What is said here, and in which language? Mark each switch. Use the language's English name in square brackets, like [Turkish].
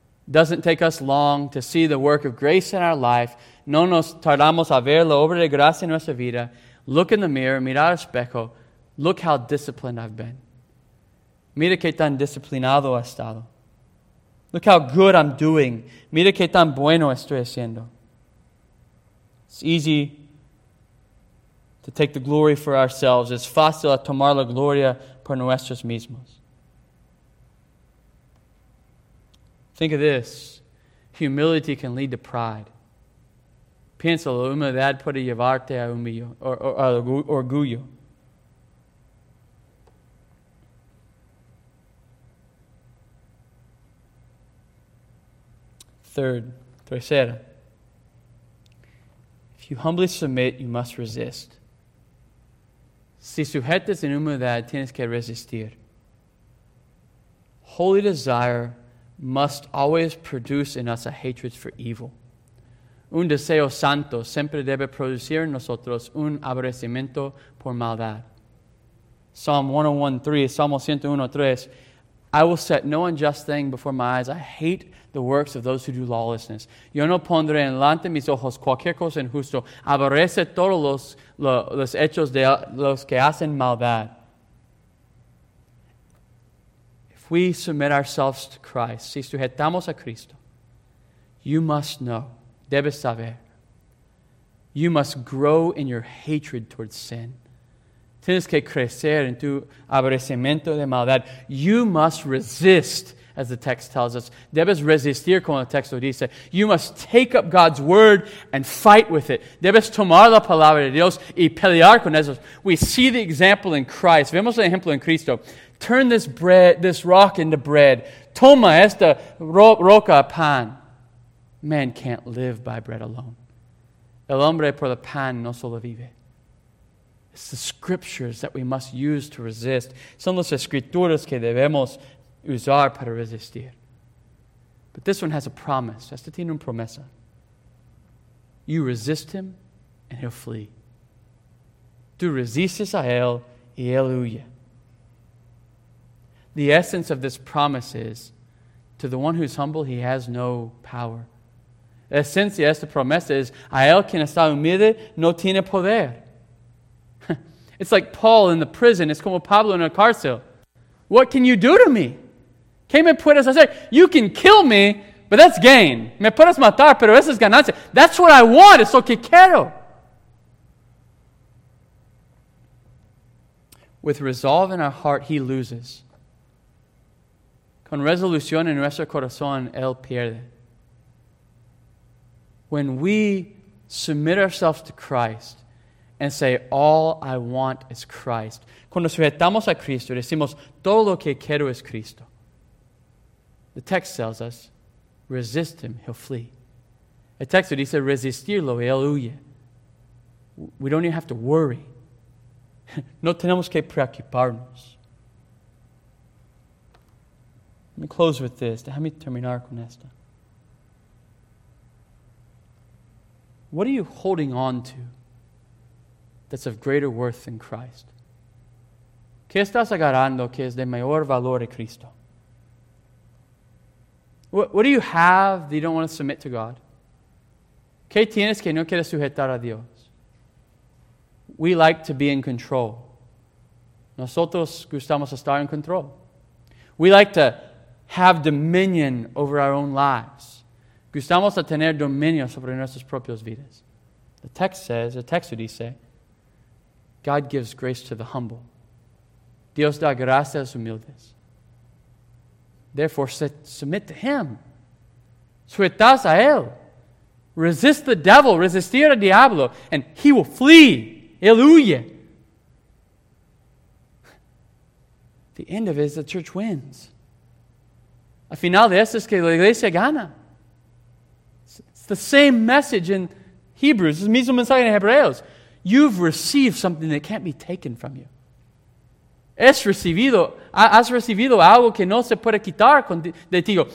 [English] Doesn't take us long to see the work of grace in our life. [Spanish] No nos tardamos a ver la obra de gracia en nuestra vida. [English] Look in the mirror, [Spanish] mirar al espejo. [English] Look how disciplined I've been. [Spanish] Mira qué tan disciplinado he estado. [English] Look how good I'm doing. [Spanish] Mira qué tan bueno estoy haciendo. [English] It's easy to take the glory for ourselves. [Spanish] Es fácil a tomar la gloria por nuestros mismos. [English] Think of this. Humility can lead to pride. [Spanish] Piensa, la humildad puede llevarte a humillo, orgullo. Tercera. [English] If you humbly submit, you must resist. [Spanish] Si sujetas en humildad, tienes que resistir. [English] Holy desire must always produce in us a hatred for evil. [Spanish] Un deseo santo siempre debe producir en nosotros un aborrecimiento por maldad. [English] Psalm 101:3. I will set no unjust thing before my eyes. I hate the works of those who do lawlessness. [Spanish] Yo no pondré en delante mis ojos cualquier cosa injusto. Aborrece todos los hechos de los que hacen maldad. [English] If we submit ourselves to Christ, [Spanish] si sujetamos a Cristo, [English] you must know, [Spanish] debes saber, [English] you must grow in your hatred towards sin. [Spanish] Tienes que crecer en tu aborrecimiento de maldad. [English] You must resist, as the text tells us. [Spanish] Debes resistir, como el texto dice. [English] You must take up God's word and fight with it. [Spanish] Debes tomar la palabra de Dios y pelear con eso. [English] We see the example in Christ. [Spanish] Vemos el ejemplo en Cristo. [English] Turn this rock into bread. [Spanish] Toma esta roca a pan. [English] Man can't live by bread alone. [Spanish] El hombre por el pan no solo vive. [English] It's the scriptures that we must use to resist. [Spanish] Son las escrituras que debemos usar para resistir. [English] But this one has a promise. [Spanish] Esta tiene una promesa. [English] You resist him and he'll flee. [Spanish] Tú resistes a él y él huye. [English] The essence of this promise is, to the one who's humble, he has no power. [Spanish] La esencia de esta promesa es, a él quien está humilde no tiene poder. [English] It's like Paul in the prison. It's [Spanish] como Pablo [English] in [Spanish] a cárcel. [English] What can you do to me? [Spanish] ¿Qué me puedes hacer? [English] You can kill me, but that's gain. [Spanish] Me puedes matar, pero eso es ganancia. [English] That's what I want. [Spanish] Es lo que quiero. [English] With resolve in our heart, he loses. [Spanish] Con resolución en nuestro corazón, él pierde. [English] When we submit ourselves to Christ, and say, all I want is Christ. [Spanish] Cuando sujetamos a Cristo, decimos, todo lo que quiero es Cristo. [English] The text tells us, resist him, he'll flee. [Spanish] El texto dice, resistirlo, él huye. [English] We don't even have to worry. [Spanish] No tenemos que preocuparnos. [English] Let me close with this. [Spanish] Déjame terminar con esto. [English] What are you holding on to? that's of greater worth than Christ. [Spanish] ¿Qué estás agarrando que es de mayor valor de Cristo? [English] What do you have that you don't want to submit to God? [Spanish] ¿Qué tienes que no quieres sujetar a Dios? [English] We like to be in control. [Spanish] Nosotros gustamos estar en control. [English] We like to have dominion over our own lives. [Spanish] Gustamos a tener dominio sobre nuestras propias vidas. [English] The text dice, God gives grace to the humble. [Spanish] Dios da gracia a los humildes. [English] Therefore, submit to Him. [Spanish] Sujetaos a Él. [English] Resist the devil. [Spanish] Resistir al diablo. [English] And he will flee. [Spanish] Él huye. [English] The end of it is the church wins. [Spanish] Al final de esto es que la iglesia gana. [English] It's the same message in Hebrews. [Spanish] Es el mismo mensaje en Hebreos. [English] You've received something that can't be taken from you. [Spanish] Has recibido algo que no se puede quitar de ti.